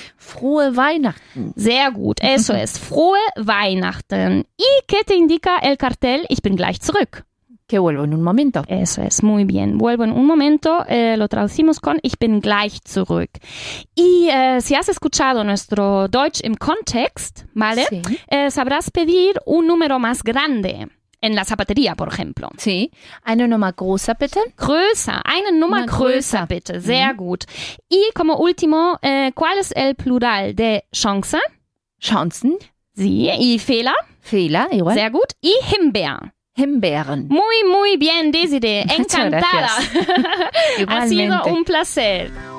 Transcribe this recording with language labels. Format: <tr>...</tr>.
<de>Frohe Weihnachten. Sehr gut.</de> <es>Eso es.</es> <de>Frohe Weihnachten.</de> <es>¿Y qué te indica el cartel?</es> <de>Ich bin gleich zurück.</de> <es>Que vuelvo en un momento. Eso es. Muy bien. Vuelvo en un momento. Lo traducimos con</es> <de>Ich bin gleich zurück.</de> <es>Y si has escuchado nuestro Deutsch im Kontext, ¿vale? Sí. Sabrás pedir un número más grande. En la zapatería, por ejemplo. Sí.</es> <de>Eine Nummer größer, bitte. Größer. Eine Nummer größer, bitte. Sehr gut.</de> <es>Y como último, ¿cuál es el plural de Chance?</es> <de>Chancen.</de> <es>Sí. Y Fehler.</es> <de>Fehler,</de> <es>igual.</es> <de>Sehr gut. Y Himbeer. Himbeeren.</de> <es>Muy, muy bien, Desiree. Encantada. Igualmente. Ha sido un placer.</es>